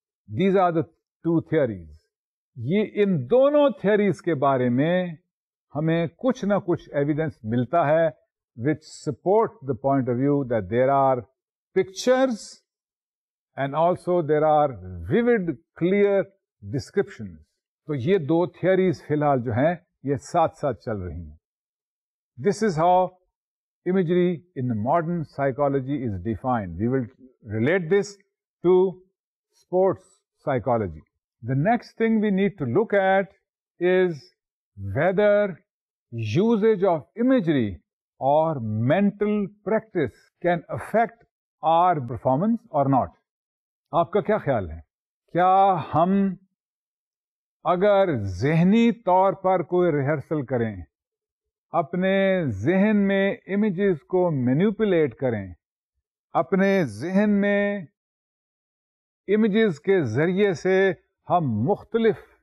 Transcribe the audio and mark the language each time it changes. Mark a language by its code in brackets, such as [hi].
[en] These are the two theories. [ur] یہ ان دونوں theories کے بارے میں ہمیں کچھ نہ کچھ evidence ملتا ہے [en] which support the point of view that there are pictures and also there are vivid, clear descriptions. [ur] تو یہ دو theories فی الحال جو ہیں یہ ساتھ ساتھ چل رہی ہیں. [en] This is how imagery in the modern psychology is defined. We will relate this to sports psychology. The next thing we need to look at is whether usage of imagery or mental practice can affect our performance or not. [ur] Aapka kya khayal hai? Kya hum agar zehni taur par koi rehearsal karein, اپنے ذہن میں images کو manipulate کریں اپنے ذہن میں images کے ذریعے سے ہم مختلف